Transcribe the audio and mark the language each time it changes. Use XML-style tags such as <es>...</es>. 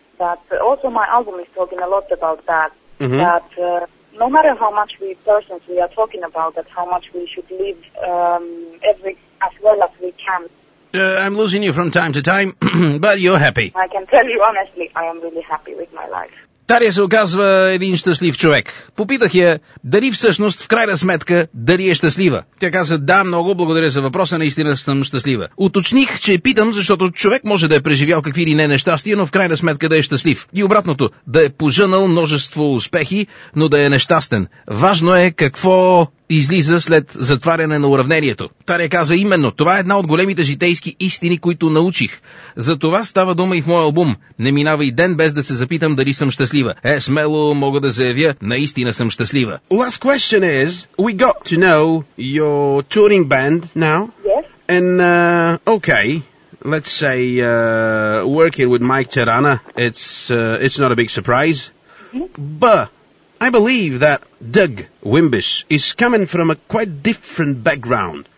<en>That also my album is talking a lot about that. Mm-hmm. That no matter how much we persons we are talking about, that how much we should live every as well as we can. I'm losing you from time to time, but you're happy. I can tell you honestly, I am really happy with my life.</en> <bg>Тария се оказва един щастлив човек. Попитах я дали всъщност, в крайна сметка, дали е щастлива. Тя каза, да, много, благодаря за въпроса, наистина съм щастлива. Уточних, че питам, защото човек може да е преживял какви ли не нещастия, но в крайна сметка да е щастлив. И обратното, да е пожънал множество успехи, но да е нещастен. Важно е какво излиза след затваряне на уравнението. Тария каза, именно, това е една от големите житейски истини, които научих. За това става дума и в моя албум. Не минава и ден без да се запитам дали съм щастлива. Е, смело мога да заявя, наистина съм щастлива.</bg> <en>Last question is, we got to know your touring band now. Yes. And, okay, let's say, working with Mike Terana, it's not a big surprise. Mm-hmm. But I believe that Doug Wimbish is coming from a quite different background.</en>